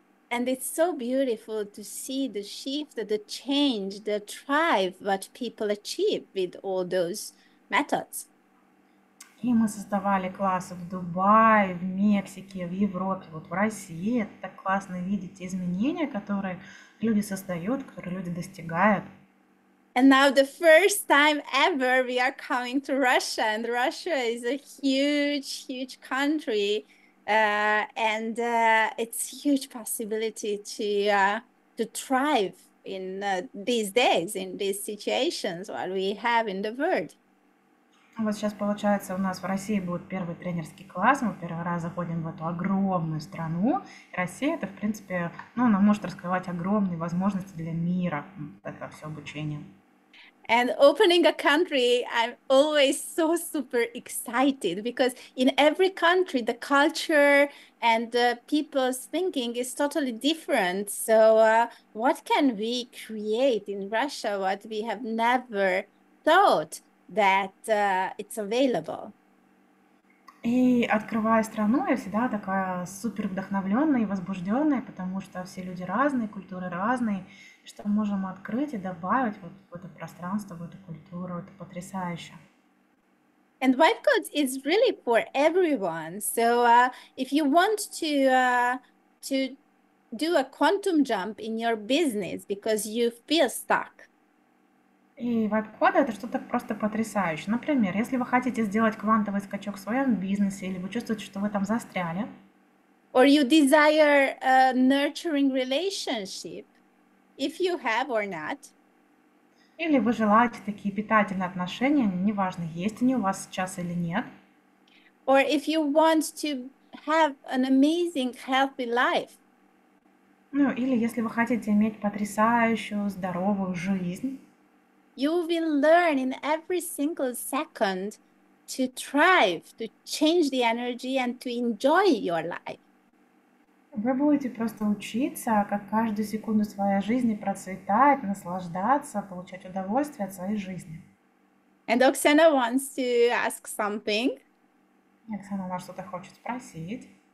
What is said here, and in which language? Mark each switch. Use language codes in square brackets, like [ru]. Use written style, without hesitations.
[en] And it's so beautiful to see the shift, the change, the thrive what people achieve with all those methods. [ru] И мы создавали классы в Дубае, в Мексике, в Европе, вот в России. Это так классно видеть изменения, которые люди создают, которые люди достигают. [en] And now the first time ever we are coming to Russia, and Russia is a huge, huge country. It's huge possibility to thrive in these days, in these situations, what we have in the world. [ru] Вот сейчас получается, у нас в России будет первый тренерский класс, мы первый раз заходим в эту огромную страну. И Россия, это в принципе, ну, она может раскрывать огромные возможности для мира, это все обучение. [en] And opening a country, I'm always so super excited because in every country, the culture and the people's thinking is totally different. So, what can we create in Russia what we have never thought that it's available? [ru] И открывая страну, я всегда такая супер вдохновленная и возбужденная, потому что все люди разные, культуры разные. И что мы можем открыть и добавить вот в это пространство, в эту культуру, это потрясающе. [en] And vibe codes is really for everyone. So if you want to do a quantum jump in your business because you feel stuck. [ru] И вайб-коды это что-то просто потрясающее. Например, если вы хотите сделать квантовый скачок в своем бизнесе, или вы чувствуете, что вы там застряли. [en] Or you desire a nurturing relationship, if you have or not. [ru] Или вы желаете такие питательные отношения, неважно, есть они у вас сейчас или нет. [en] Or if you want to have an amazing healthy life. [ru] Ну, или если вы хотите иметь потрясающую, здоровую жизнь. [en] You will learn in every single second to thrive, to change the energy and to enjoy your life. [ru] Вы будете просто учиться, как каждую секунду своей жизни процветать, наслаждаться, получать удовольствие от своей жизни. [en] And Oksana wants to ask something. [ru] Оксана, у вас что-то хочет спросить?